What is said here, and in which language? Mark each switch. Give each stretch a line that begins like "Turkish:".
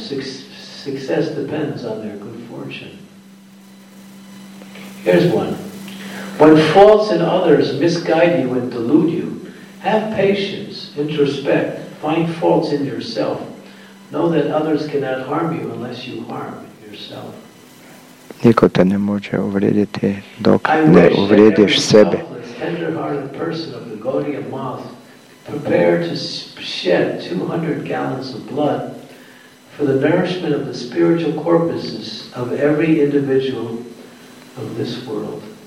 English: Success depends on their good fortune. Here's one. When faults in others misguide you and delude you, have patience, introspect, find faults in yourself. Know that others cannot harm you unless you harm yourself.
Serbian: Niko te ne može uvrediti dok ne uvrediš sebe.
English: Tender-hearted person of the Gaudiya Math prepare to shed 200 gallons of blood for the nourishment of the spiritual corpuses of every individual of this world.